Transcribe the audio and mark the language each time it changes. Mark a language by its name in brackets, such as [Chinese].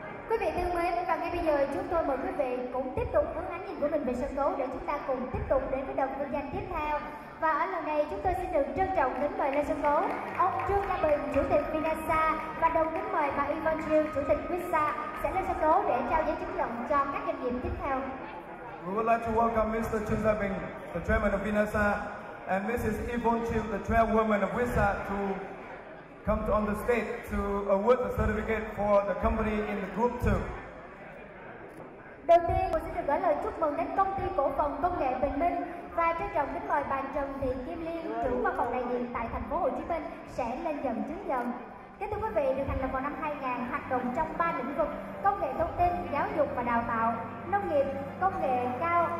[Vietnamese] Quý vị thân mến, và ngay bây giờ chúng tôi mời quý vị cũng tiếp tục hướng ánh nhìn của mình về sân khấu để chúng ta cùng tiếp tục đến với đợt kinh doanh tiếp theo. Và ở lần này chúng tôi xin được trân trọng kính mời lên sân khấu ông Trương Gia Bình, chủ tịch Vinasa, và đồng kính mời bà Yvonne Chiu, chủ tịch Visa sẽ lên sân khấu để trao giấy chứng nhận cho các doanh nghiệp tiếp theo. [English] We would like to welcome Mr. Trương Gia Bình, the chairman of Vinasa, and Mrs. Yvonne Chiu, the chairwoman of Visa, to come on the stage to award the certificate for the company in the group 2. [Vietnamese] Đầu tiên, tôi xin được gửi lời chúc mừng đến công ty cổ phần công nghệ Bình Minh và trân trọng kính mời bà Trần Thị Kim Liên, trưởng văn phòng đại diện tại thành phố Hồ Chí Minh sẽ lên nhận chứng nhận. Kính thưa quý vị, được thành lập vào năm 2000, hoạt động trong 3 lĩnh vực công nghệ thông tin, giáo dục và đào tạo, nông nghiệp, công nghệ cao.